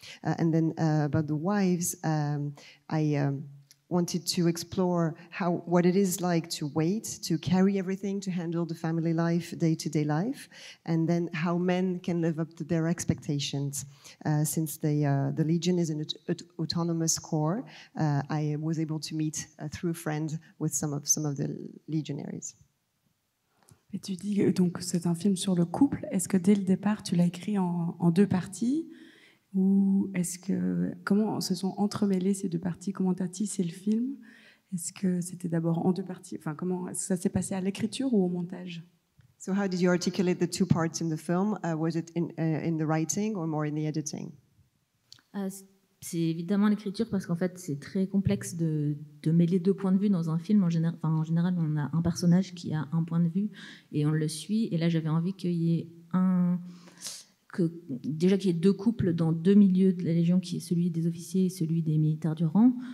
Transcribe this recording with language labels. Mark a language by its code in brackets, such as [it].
[en] And then about the wives, I wanted to explore what it is like to wait, to carry everything, to handle the family life, day-to-day life, and then how men can live up to their expectations. Since the Legion is an autonomous corps, I was able to meet through a friend with some of the legionaries. [fr] Et tu dis donc c'est un film sur le couple. Est-ce que dès le départ tu l'as écrit en deux parties, ou est-ce que comment se sont entremêlées ces deux parties? Comment t'as tissé le film? Est-ce que c'était d'abord en deux parties? Enfin, comment est-ce que ça s'est passé à l'écriture ou au montage? [en] So how did you articulate the two parts in the film? Was it in the writing or more in the editing? [fr] C'est évidemment l'écriture, parce qu'en fait c'est très complexe de mêler deux points de vue dans un film. En général, on a un personnage qui a un point de vue et on le suit. Et là, j'avais envie qu'il y ait qu'il y ait deux couples dans deux milieux de la Légion, qui est celui des officiers et celui des militaires du rang.